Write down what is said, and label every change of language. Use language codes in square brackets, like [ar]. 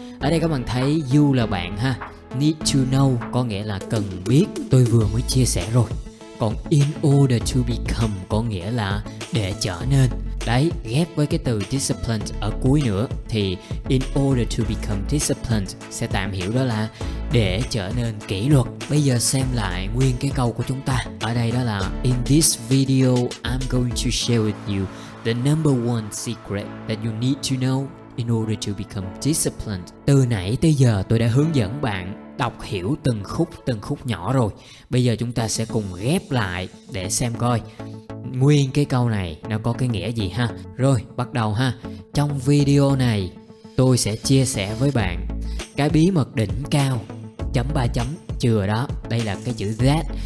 [vi] Ở đây các bạn thấy you là bạn ha, [en] need to know [vi] có nghĩa là cần biết, tôi vừa mới chia sẻ rồi. Còn [en] in order to become [vi] có nghĩa là để trở nên. Đấy, ghép với cái từ disciplined ở cuối nữa thì [en] in order to become disciplined [vi] sẽ tạm hiểu đó là để trở nên kỷ luật. Bây giờ xem lại nguyên cái câu của chúng ta. Ở đây đó là [en] in this video I'm going to share with you the number one secret that you need to know in order to become disciplined. [vi] Từ nãy tới giờ tôi đã hướng dẫn bạn đọc hiểu từng khúc nhỏ rồi. Bây giờ chúng ta sẽ cùng ghép lại để xem coi nguyên cái câu này nó có cái nghĩa gì ha. Rồi bắt đầu ha. Trong video này tôi sẽ chia sẻ với bạn cái bí mật đỉnh cao chấm ba chấm chừa đó. Đây là cái chữ that.